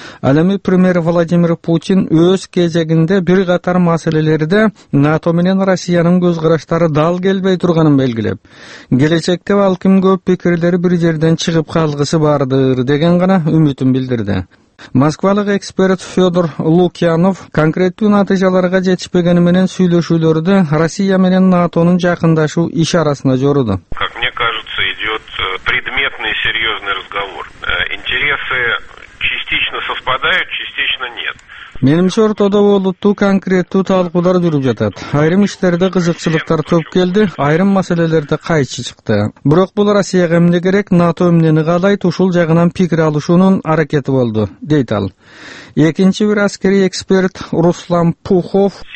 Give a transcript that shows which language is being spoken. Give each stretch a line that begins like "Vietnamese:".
Kyrgyz: Ал эми премьер Владимир Путин өз кезегинде бир катар маселелерде НАТО менен Россиянын көз караштары дал келбей турганын белгилеп, келечекте балким көп пикирлери бир жерден чыгып калгысы бардыр деген гана үмүтүн билдирди. Москвалык эксперт Федор Лукьянов конкреттүү натыйжаларга жетишпегени менен сүйлөшүүлөрдү Россия менен НАТОнун жакындашуу иш арасына жоруду.
Russian: Как мне кажется, идет предметный серьезный разговор. Интересы частично совпадают, частично нет.
Kyrgyz: Менимче ортодо болуттуу конкреттүү талкуулар жүрүп жатат. Айрым иштерде кызыкчылыктар көп келди, айрым маселелерде кайчы чыкты. Бирок бул Россияга эмне керек, НАТО эмнени каалайт, ушул жагынан пикир алышуунун аракети болду, дейт ал. Экинчи бир аскерий эксперт Руслан Пухов.